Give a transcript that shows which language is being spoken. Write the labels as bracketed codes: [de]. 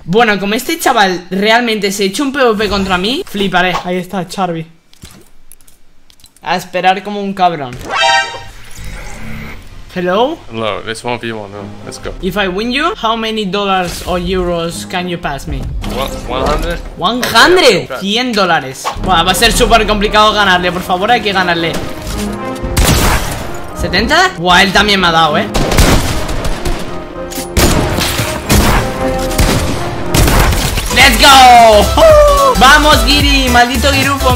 [es] Bueno, como este chaval realmente se echó un PvP contra mí, fliparé. Ahí está, Charby. A esperar como un cabrón. [en] Hello? Hello, it's 1v1, no, let's go. If I win you, how many dollars or euros can you pass me? 100? [es] Okay, 100 dólares. Bueno, va a ser súper complicado ganarle, por favor, hay que ganarle. ¿70? Buah, él también me ha dado, eh. [en] ¡Let's go! [es] ¡Vamos, Giri! ¡Maldito Girufo!